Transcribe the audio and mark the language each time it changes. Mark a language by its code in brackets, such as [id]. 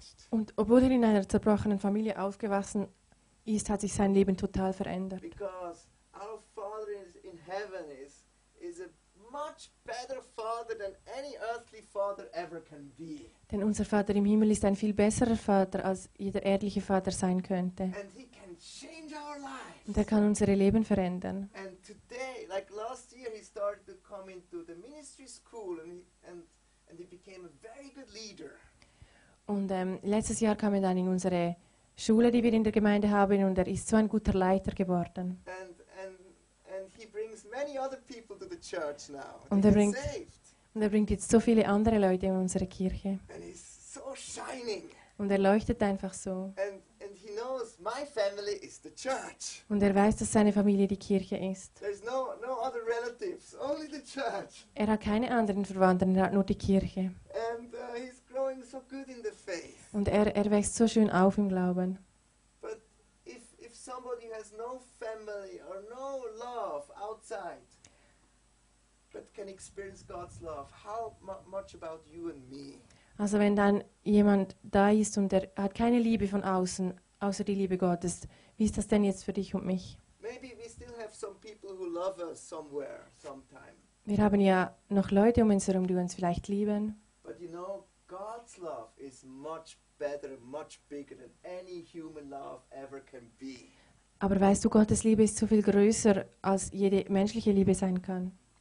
[de] Und obwohl er in einer zerbrochenen Familie aufgewachsen ist, hat sich sein Leben total verändert. [en] Because our Father in heaven is a much better father than any earthly father ever can be. [de] Denn unser Vater im Himmel ist ein viel besserer Vater, als jeder erdliche Vater sein könnte. [en] And he can change our lives. [de] Und er kann unsere Leben verändern. [en] And today, like last year, he started to come into the ministry school and he became a very good leader. [de] Und letztes Jahr kam er dann in unsere Schule, die wir in der Gemeinde haben, und er ist so ein guter Leiter geworden. [en] And he brings brings many other people to the church now. [de] Und er bringt jetzt so viele andere Leute in unsere Kirche. [en] And he's so shining. [de] Und er leuchtet einfach so. [en] And he knows my family is the church. [de] Und er weiß, dass seine Familie die Kirche ist. [en] There's no other relatives, only the church. [de] Er hat keine anderen Verwandten, er hat nur die Kirche. [en] And he's growing so good in the faith. [de] Und er wächst so schön auf im Glauben. [en] But if somebody has no family or no love outside, but can experience God's love, how much about you and me? [de] Also wenn dann jemand da ist und er hat keine Liebe von außen, außer die Liebe Gottes, wie ist das denn jetzt für dich und mich? [en] Maybe we still have some people who love us somewhere, sometime. [de] Wir haben ja noch Leute um uns herum, die uns vielleicht lieben. [en] But you know, God's love is much better, much bigger than any human love ever can be. [de] Aber weißt du, Gottes Liebe ist so viel größer, als jede menschliche Liebe sein kann.